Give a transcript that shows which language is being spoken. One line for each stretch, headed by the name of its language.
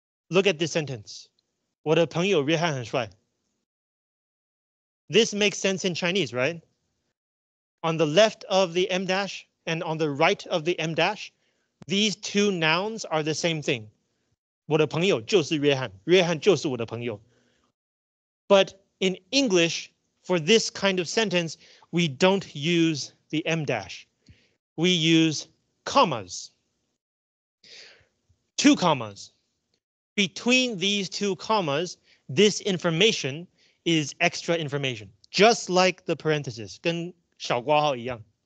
English: Look at this sentence.
Chinese: 我的朋友约翰很帅.
English: This makes sense in Chinese, right? On the left of the M dash and on the right of the M dash, these two nouns are the same thing.
Chinese: 我的朋友就是约翰，约翰就是我的朋友.
English: But in English, for this kind of sentence, we don't use the M dash. We use commas. Two commas. Between these two commas, this information is extra information, just like the parenthesis,
Chinese: 跟小括号一样.